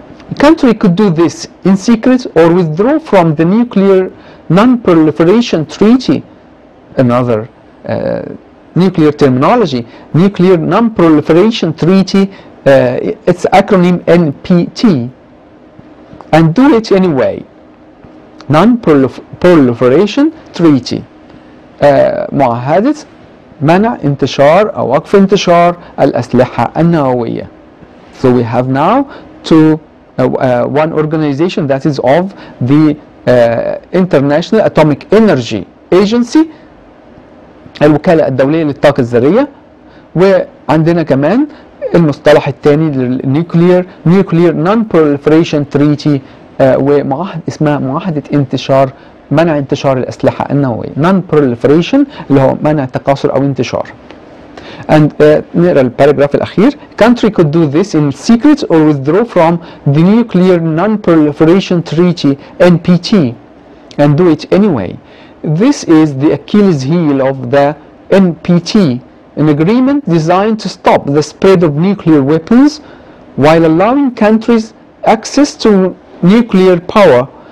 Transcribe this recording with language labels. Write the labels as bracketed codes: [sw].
[en] A country could do this in secret or withdraw from the Nuclear Non-Proliferation Treaty, another nuclear terminology, Nuclear Non-Proliferation Treaty, its acronym NPT, and do it anyway. Non-Proliferation Treaty. [ar] معاهدة منع انتشار أو وقف انتشار الأسلحة النووية. [en] So we have now two, one organization that is of the International Atomic Energy Agency, [ar] الوكالة الدولية للطاقة الذرية، وعندنا كمان المصطلح الثاني للنيوكلير Nuclear Non-Proliferation Treaty ومعاهد اسمها معاهدة انتشار منع انتشار الأسلحة النووية Non-proliferation اللي هو منع تقاصر أو انتشار. And نقرأ الباراجراف الأخير. [en] Country could do this in secret or withdraw from the Nuclear Non-proliferation Treaty NPT and do it anyway. This is the Achilles heel of the NPT, an agreement designed to stop the spread of nuclear weapons while allowing countries access to nuclear power.